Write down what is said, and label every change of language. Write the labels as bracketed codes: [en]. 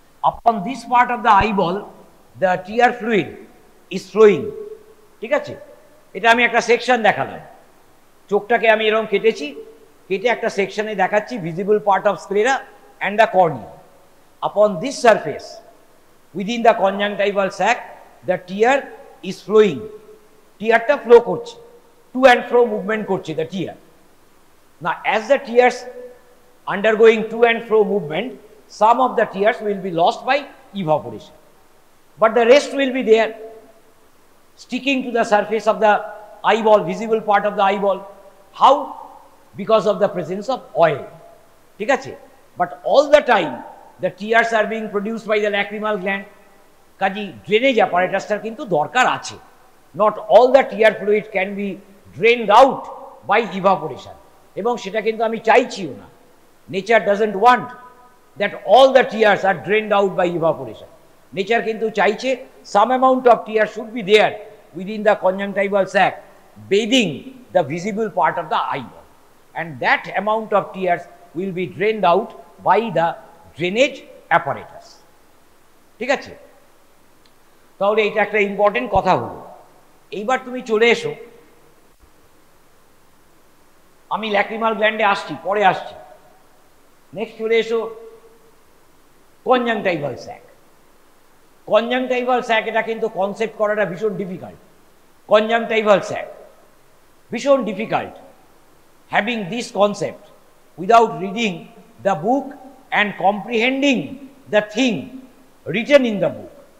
[en] Upon this part of the eyeball, the tear fluid is flowing. [bn] ঠিক আছে? এটা আমি একটা সেকশন দেখালাম। চোখটাকে আমি এরকম কেটেছি, কেটে একটা সেকশনে দেখাচ্ছি, visible part of sclera and the cornea. [en] Upon this surface, within the conjunctival sac, the tear is flowing. Tearটা flow করছে, to and fro movement করছে, the tear. Now, as the tears undergoing to and fro movement, some of the tears will be lost by evaporation. But the rest will be there, sticking to the surface of the eyeball, visible part of the eyeball. How? Because of the presence of oil. ঠিক আছে? But all the time, the tears are being produced by the lacrimal gland. [bn] কাজেই drainage apparatus টার কিন্তু দরকার আছে. [en] Not all the tear fluid can be drained out by evaporation. এবং সেটা কিন্তু আমি চাইছিও না. Nature doesn't want that all the tears are drained out by evaporation. Nature কিন্তু চাইছে some amount of tear should be there within the conjunctival sac, bathing the visible part of the eye. And that amount of tears will be drained out by the drainage apparatus. [bn] ঠিক আছে? তাহলে এটা একটা important কথা হলো. এইবার তুমি চলে এসো, আমি ল্যাক্রিমাল গ্ল্যান্ডে আসছি, পরে আসছি, নেক্সট চলে এসো কনজাংটাইভাল স্যাক. কনজাংটাইভাল স্যাক, এটা কিন্তু কনসেপ্ট করাটা ভীষণ ডিফিকাল্ট. কনজাংটাইভাল স্যাক ভীষণ difficult, having this concept without reading the book and কম্প্রিহেন্ডিং the thing written in the book.